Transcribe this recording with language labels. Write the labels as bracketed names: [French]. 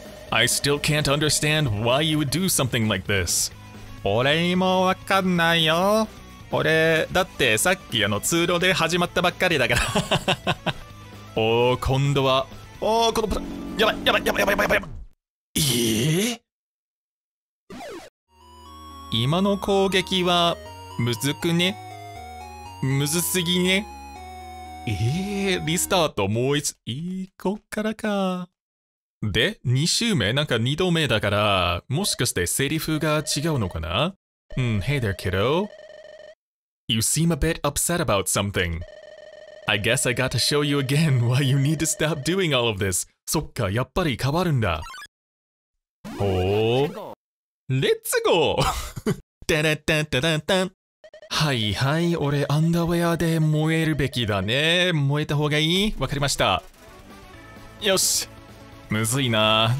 [English] I still can't understand why you would do something like this. [Japanese] 俺も分かんないよ。俺、だってさっきあの通路で始まったばっかりだから。おー、今度は、おー、このパターン、やばい。今の攻撃はむずくね、むずすぎね。リスタート、もう一度いこっからか。で、2周目、なんか2度目だから、もしかしてセリフが違うのかな。うん、 [English] Hey there kiddo, you seem a bit upset about something. I guess I got to show you again why you need to stop doing all of this. [Japanese] そっか、やっぱり変わるんだ。ほう、レッツゴー。タラタタタタ。はいはい、俺アンダーウェアで燃えるべきだね。燃えた方がいい？わかりました。よし、むずいな。